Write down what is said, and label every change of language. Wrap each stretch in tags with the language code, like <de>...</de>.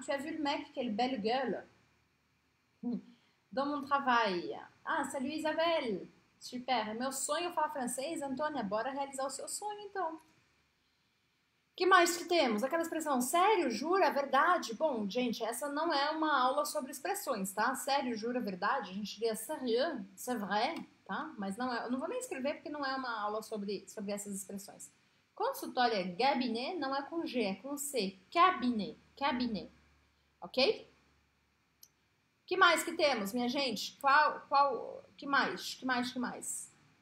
<fr>Tu as vu le mec, quelle belle gueule. Dans mon travail.</fr> <pt>Ah, salut Isabelle. Super, meu sonho é falar francês, Antônia, bora realizar o seu sonho então. Que mais que temos? Aquela expressão sério, jura, verdade? Bom, gente, essa não é uma aula sobre expressões, tá? Sério, jura, verdade? A gente diria</pt> <fr>sérieux, c'est vrai,</fr> <pt>tá? Mas não é, eu não vou nem escrever porque não é uma aula sobre essas expressões. Consultório é gabinet, não é com G, é com C. Cabinet, cabinet. Ok? Que mais que temos, minha gente? Que mais? Que mais? Que mais?</pt>